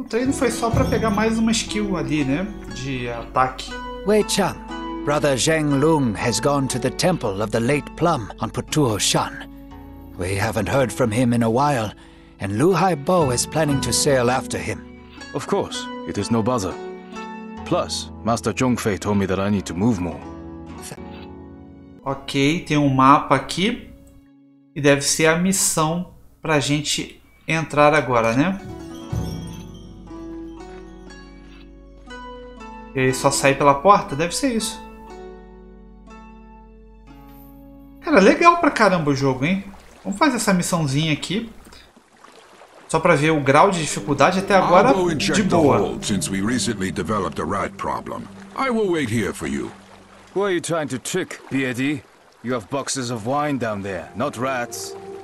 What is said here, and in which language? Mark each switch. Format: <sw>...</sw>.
<pt>O treino foi só para pegar mais uma skill ali, né? De ataque.</pt> <en>Wei Chang, brother Zheng Lung has gone to the temple of the late Plum on Putuo Shan. We haven't heard from him in a while, and Lu Hai Bo is planning to sail after him. Of course, it is no bother. Plus, Master Zhongfei told me that I need to move more.</en> <pt>Ok, tem um mapa aqui. E deve ser a missão pra gente entrar agora, né? E aí, só sair pela porta? Deve ser isso. Cara, legal pra caramba o jogo, hein? Vamos fazer essa missãozinha aqui. Só pra ver o grau de dificuldade até agora, de boa.</pt> <en>Since we recently developed a rat problem. I will wait here for you. Who are you trying to trick, B.A.D.? You have boxes of wine down there, not rats.</en>